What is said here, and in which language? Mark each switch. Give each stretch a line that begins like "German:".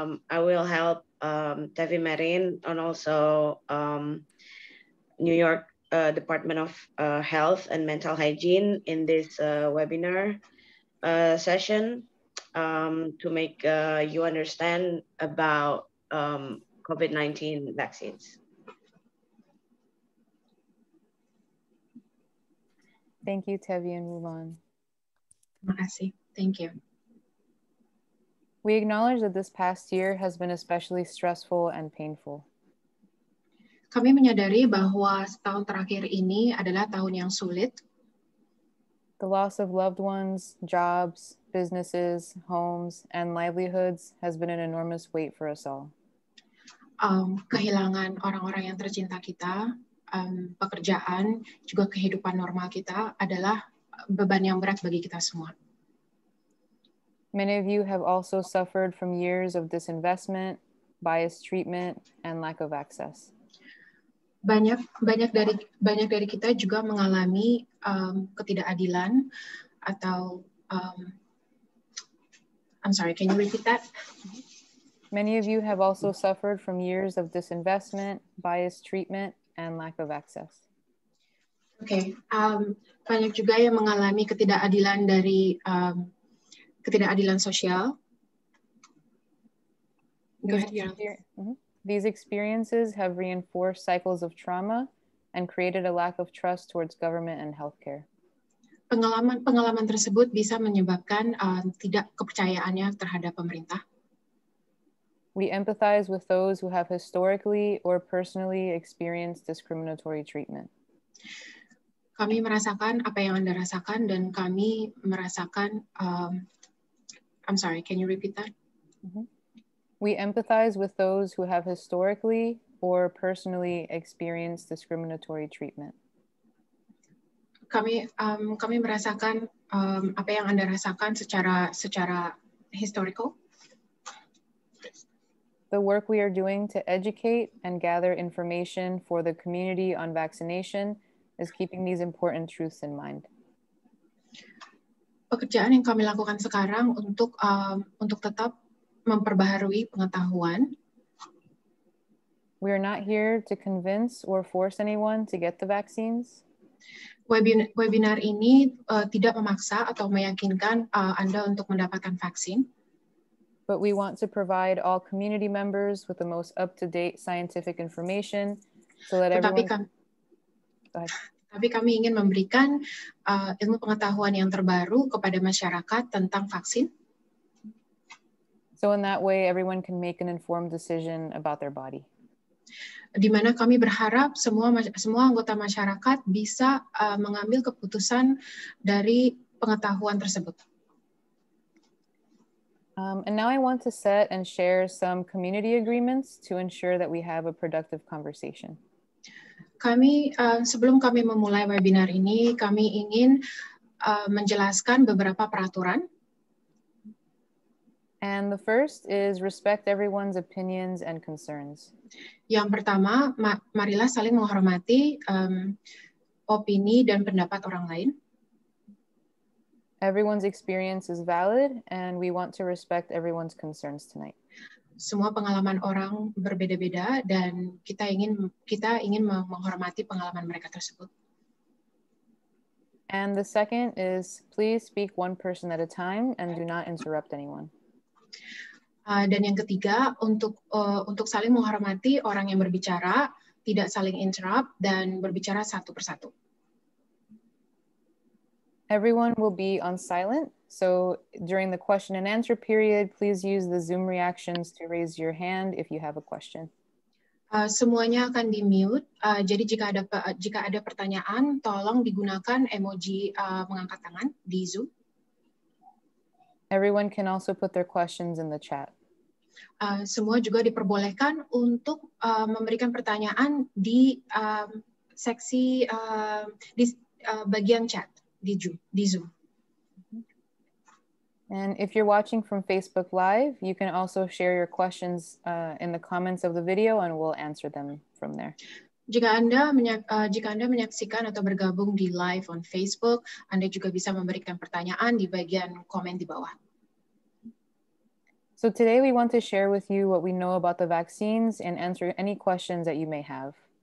English: I will help Tevi Marin and also New York Department of Health and Mental Hygiene in this webinar session to make you understand about COVID-19 vaccines. Thank you, Tevi and Wulan. Merci. Thank you. We acknowledge that this past year has been especially stressful and painful.
Indonesian: Kami menyadari bahwa setahun terakhir ini adalah tahun yang sulit.
English: The loss of loved ones, jobs, businesses, homes, and livelihoods has been an enormous weight for us all.
Indonesian: Kehilangan orang-orang yang tercinta kita, pekerjaan, juga kehidupan normal kita adalah beban yang berat bagi kita semua.
English: Many of you have also suffered from years of disinvestment, biased treatment, and lack of access.
Indonesian: Banyak dari kita juga mengalami ketidakadilan atau
English: I'm sorry, can you repeat that? Many of you have also suffered from years of disinvestment, biased treatment, and lack of access.
Indonesian: Okay, banyak juga yang mengalami ketidakadilan dari ketidakadilan sosial.
English: Go ahead, Yara. These experiences have reinforced cycles of trauma and created a lack of trust towards government and healthcare.
Indonesian: Pengalaman tersebut bisa menyebabkan tidak kepercayaannya terhadap pemerintah.
English: We empathize with those who have historically or personally experienced discriminatory treatment.
Indonesian: Kami merasakan apa yang Anda rasakan dan kami merasakan
English: I'm sorry, can you repeat that? We empathize with those who have historically or personally experienced discriminatory treatment.
Indonesian: kami merasakan apa yang Anda rasakan secara historical.
English: The work we are doing to educate and gather information for the community on vaccination is keeping these important truths in mind.
Indonesian: Pekerjaan yang kami lakukan sekarang untuk tetap memperbaharui pengetahuan.
English: We are not here to convince or force anyone to get the vaccines.
Indonesian: Webinar ini tidak memaksa atau meyakinkan Anda untuk mendapatkan vaksin.
English: But we want to provide all community members with the most up-to-date scientific information so that
Indonesian: Tapi kami ingin memberikan ilmu pengetahuan yang terbaru kepada masyarakat tentang vaksin.
English: So in that way, everyone can make an informed decision about their body.
Indonesian: Di mana kami berharap semua anggota masyarakat bisa mengambil keputusan dari pengetahuan tersebut.
English: And now I want to set and share some community agreements to ensure that we have a productive conversation.
Indonesian: Sebelum kami memulai webinar ini, kami ingin menjelaskan beberapa peraturan.
English: And the first is respect everyone's opinions and concerns.
Indonesian: Yang pertama, marilah saling menghormati opini dan pendapat orang lain.
English: Everyone's experience is valid, and we want to respect everyone's concerns tonight.
Indonesian: Semua pengalaman orang berbeda-beda, dan kita ingin menghormati pengalaman mereka tersebut.
English: And the second is, please speak one person at a time and do not interrupt anyone.
Indonesian: Dan yang ketiga, untuk saling menghormati orang yang berbicara, tidak saling interrupt, dan berbicara satu persatu.
English: Everyone will be on silent, so during the question and answer period, please use the Zoom reactions to raise your hand if you have a question.
Indonesian: Semuanya akan di mute. Jadi jika ada pertanyaan, tolong digunakan emoji mengangkat tangan di Zoom.
English: Everyone can also put their questions in the chat.
Indonesian: Semua juga diperbolehkan untuk memberikan pertanyaan di seksi di bagian chat. Di Zoom.
English: And if you're watching from Facebook Live, you can also share your questions in the comments of the video, and we'll answer them from there.
Indonesian: Jika Anda menyaksikan atau bergabung di live on Facebook, Anda juga bisa memberikan pertanyaan di bagian komen di bawah.
English: So today we want to share with you what we know about the vaccines and answer any questions that you may have.